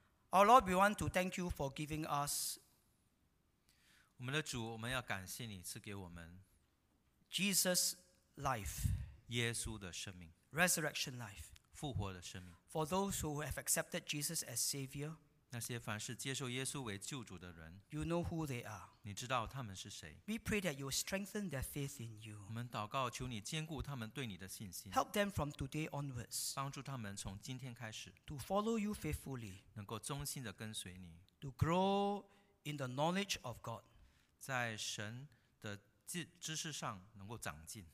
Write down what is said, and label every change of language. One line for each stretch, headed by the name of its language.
English: Our Lord, we want to thank you for giving us.
Chinese: 我们的主，我们要感谢你赐给我们
English: Jesus' life，
Chinese: 耶稣的生命
English: ，Resurrection life，
Chinese: 复活的生命。
English: For those who have accepted Jesus as Savior，
Chinese: 那些凡是接受耶稣为救主的人
English: ，You know who they are，
Chinese: 你知道他们是谁。
English: We pray that you strengthen their faith in you，
Chinese: 我们祷告求你坚固他们对你的信心。
English: Help them from today onwards，
Chinese: 帮助他们从今天开始
English: ，To follow you faithfully，
Chinese: 能够忠心的跟随你。
English: To grow in the knowledge of God，
Chinese: 在神的知识上能够长进。